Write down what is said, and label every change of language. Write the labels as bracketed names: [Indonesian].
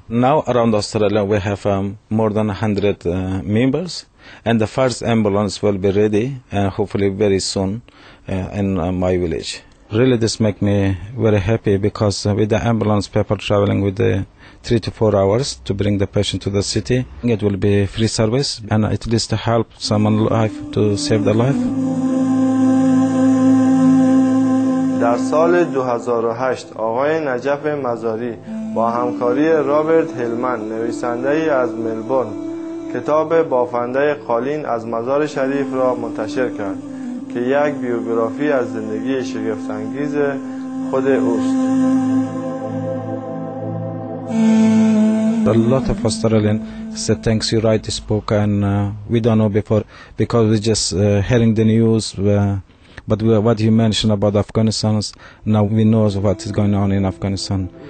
[English] Now around Australia, we have more than 100 members, and the first ambulance will be ready, and hopefully very soon, in my village. Really, this make me very happy because with the ambulance, people traveling with the 3 to 4 hours to bring the patient to the city, it will be free service, and at least to help someone's life, to save their life. [Persian] در سال 2008 آقای نجف مزاری با همکاری رابرت هلمن نویسنده ای از ملبورن کتاب بافنده قالین از مزار شریف را منتشر کرد که یک بیوگرافی از زندگی شگفت‌انگیز خود اوست. [English] A lot of Australian said thanks you write this book and we don't know before because we just hearing the news. But what you mentioned about Afghanistan, now we know what is going on in Afghanistan.